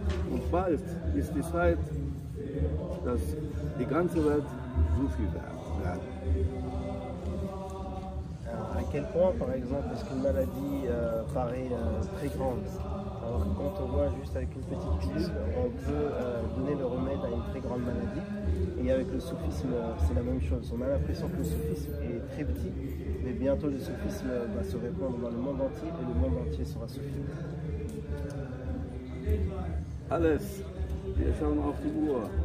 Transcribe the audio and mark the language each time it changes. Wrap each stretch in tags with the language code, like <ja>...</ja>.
<de>Und bald ist die Zeit, dass die ganze Welt Sufi wird.</de> <fr>À quel point, par exemple, est-ce qu'une maladie paraît très grande? Alors quand on voit juste avec une petite pilule, on peut donner le remède à une très grande maladie. Et avec le soufisme, c'est la même chose. On a l'impression que le soufisme est très petit, mais bientôt le soufisme va se répandre dans le monde entier et le monde entier sera soufi.</fr> <de>Alles, wir schauen auf die Uhr.</de>